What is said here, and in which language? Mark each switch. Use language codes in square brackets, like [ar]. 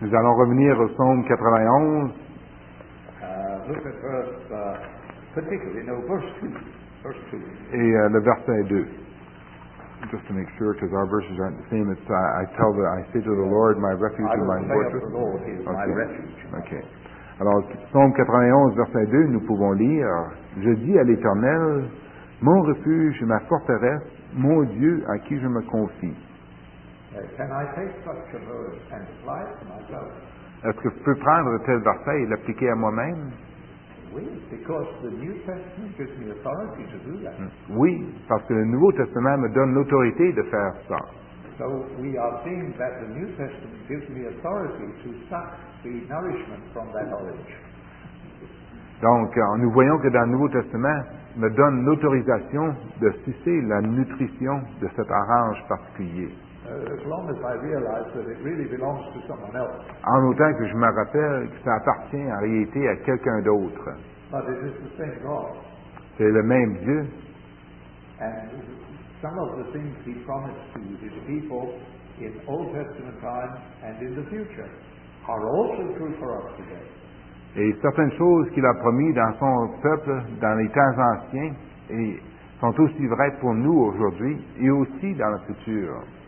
[fr] Nous allons revenir au Psalm 91. [en] Look at verse, particularly, no, verse 2. [fr] Et le verset 2. [en] Just to make sure, because our verses aren't the same, it's, I say to the Lord, my refuge and my fortress. I will say of the Lord is okay. My refuge. Okay. [fr] Alors, Psalm 91, verset 2, nous pouvons lire, je dis à l'Éternel, mon refuge, ma forteresse, mon Dieu à qui je me confie. [en] Can I take such a verse and apply it to myself? [fr] Est-ce que je peux prendre tel verset et l'appliquer à moi-même? Oui, [en] because the New Testament gives me authority to do that. [fr] Oui, parce que le Nouveau Testament me donne l'autorité de faire ça. [en] So we are seeing that the New Testament gives me authority to suck the nourishment from that orange. [fr] Donc, nous voyons que dans le Nouveau Testament me donne l'autorisation de sucer la nutrition de cet orange particulier. [en] As long as I realize that it really belongs to someone else. [fr] En autant que je me rappelle que ça appartient en réalité à quelqu'un d'autre. [en] But it is the same God. [fr] C'est le même Dieu. [en] And some of the things he promised to his people in Old Testament times and in the future are also true for us today. [fr] Et certaines choses qu'il a promis dans son peuple dans les temps anciens et sont aussi vraies pour nous aujourd'hui et aussi dans le futur.